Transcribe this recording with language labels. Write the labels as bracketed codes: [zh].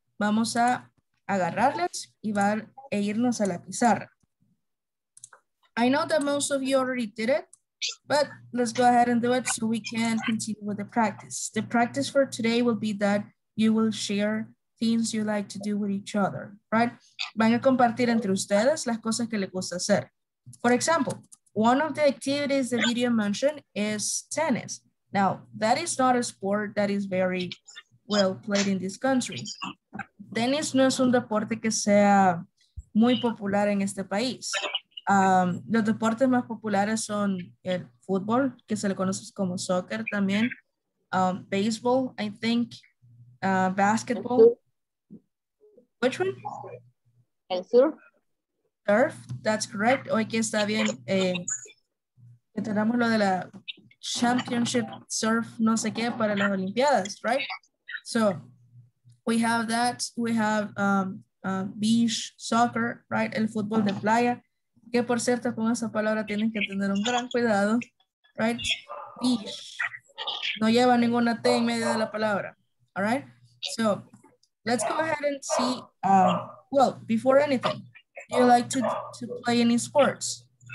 [es] Vamos a agarrarlas e irnos a la pizarra. [en] I know that most of you already did it, but let's go ahead and do it so we can continue with the practice. The practice for today will be that you will share things you like to do with each other, right? [es] Van a compartir entre ustedes las cosas que les gusta hacer. [en] For example, one of the activities the video mentioned is tennis. Now, that is not a sport that is very well played in this country. [es] Tennis no es un deporte que sea muy popular en este país. Los deportes más populares son el fútbol, que se le conoce como soccer también, baseball, [en] I think, [es] basketball. [en] Which one? [es] El surf. [en] Surf, that's correct. [es] Hoy que está bien, que tenemos lo de la championship surf, no sé qué, para las Olimpiadas, right? [en] So, we have that, we have beach, soccer, right? [es] El fútbol de playa. Que por cierto, con esa palabra tienen que tener un gran cuidado, right? Beach. No lleva ninguna T en medio de la palabra, all right? [en] So, let's go ahead and see, well, before anything, do you like to play any sports?